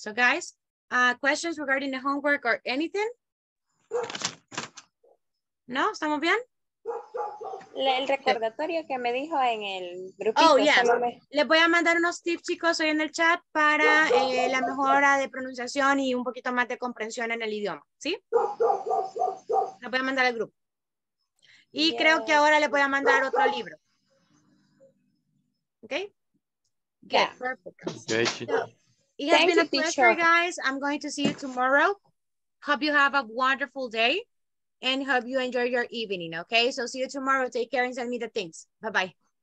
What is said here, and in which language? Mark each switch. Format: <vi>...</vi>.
<en>So, guys, questions regarding the homework or anything?</en> <es>No, ¿estamos bien? El recordatorio que me dijo en el grupo.</es> <en>Oh, yes.</en> <es>Les voy a mandar unos tips, chicos, hoy en el chat para la mejora de pronunciación y un poquito más de comprensión en el idioma, ¿sí? Lo voy a mandar al grupo. Y yes. Creo que ahora le voy a mandar otro libro. ¿Ok?</es> <en>Yeah. Perfect. Okay. So, it has been a pleasure, guys. I'm going to see you tomorrow. Hope you have a wonderful day. And hope you enjoy your evening, okay? So see you tomorrow. Take care and send me the things. Bye-bye.</en>